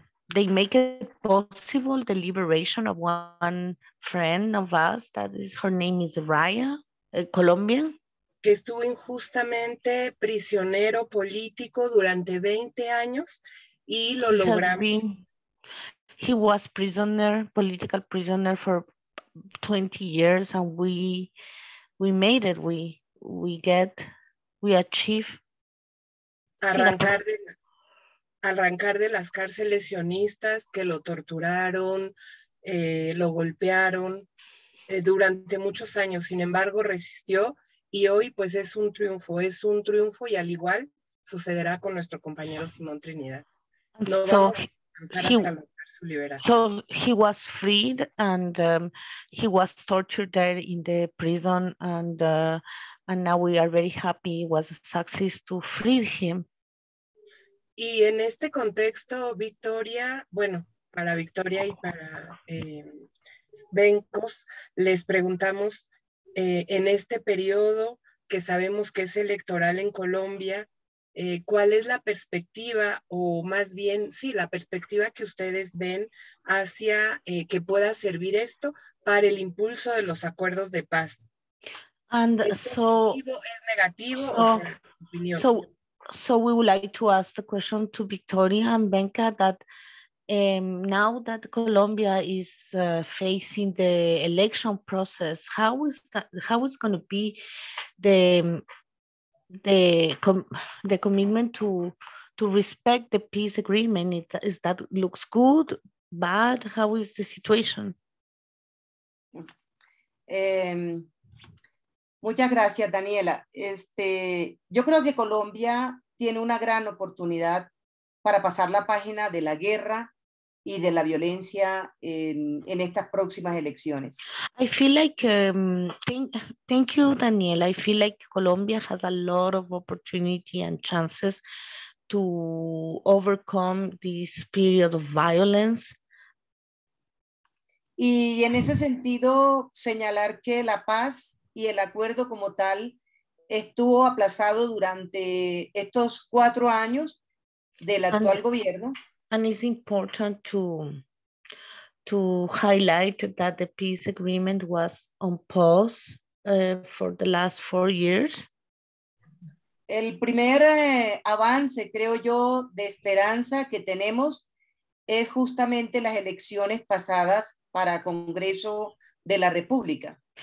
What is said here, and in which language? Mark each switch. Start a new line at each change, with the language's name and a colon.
English: They make it possible the liberation of one friend of us, that is, her name is Raya, a Colombian.
Spanish: Que estuvo injustamente prisionero político durante 20 años y lo lograron.
English: He was political prisoner for 20 years and we made it, we achieve.
Spanish: Arrancar de las cárceles sionistas que lo torturaron, lo golpearon durante muchos años. Sin embargo, resistió y hoy pues es un triunfo y al igual sucederá con nuestro compañero Simón Trinidad. No vamos a cansar hasta lograr. su liberación.
English: So he was freed and he was tortured there in the prison and now we are very happy it was a success to free him.
Spanish: Y en este contexto, Victoria, bueno, para Victoria y para Benkos, les preguntamos en este periodo que sabemos que es electoral en Colombia, ¿cuál es la perspectiva o más bien, sí, la perspectiva que ustedes ven hacia que pueda servir esto para el impulso de los acuerdos de paz?
English: And so,
Spanish: ¿es negativo o su opinión?
English: So we would like to ask the question to Victoria and Benka that now that Colombia is facing the election process, how is going to be the commitment to respect the peace agreement? Is that looks good, bad? How is the situation?
Spanish: Muchas gracias, Daniela. Yo creo que Colombia tiene una gran oportunidad para pasar la página de la guerra y de la violencia en estas próximas elecciones.
English: I feel like, thank you, Daniel. I feel like Colombia has a lot of opportunity and chances to overcome this period of violence.
Spanish: Y en ese sentido, señalar que la paz y el acuerdo como tal estuvo aplazado durante estos 4 años del actual gobierno.
English: And it's important to highlight that the peace agreement was on pause for the last 4 years.
Spanish: El primer avance, creo yo, de esperanza que tenemos es justamente las elecciones pasadas para Congreso de la República.